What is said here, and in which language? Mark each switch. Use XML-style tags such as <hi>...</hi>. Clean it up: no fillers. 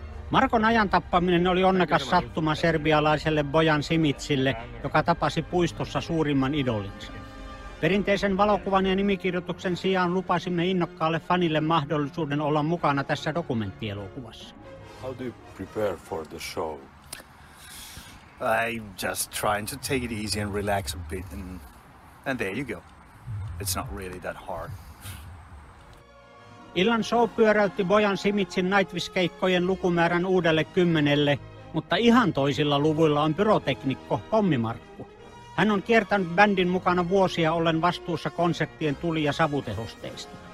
<fi>Markon ajan tappaminen oli onnekas sattuma serbialaiselle Bojan Simicille, joka tapasi puistossa suurimman idolinsa. Perinteisen valokuvan ja nimikirjoituksen sijaan lupasimme innokkaalle fanille mahdollisuuden olla mukana tässä dokumenttielokuvassa.</fi> <en>How do you prepare for the show? I'm just trying to take it easy and relax a bit and there you go. It's not really that hard.</en> <fi>Illan show pyöräytti Bojan Simicin Nightwish-keikkojen lukumäärän uudelle 10, mutta ihan toisilla luvuilla on pyroteknikko Pommi Markku. Hän on kiertänyt bändin mukana vuosia ollen vastuussa konseptien tuli- ja savutehosteista.</fi>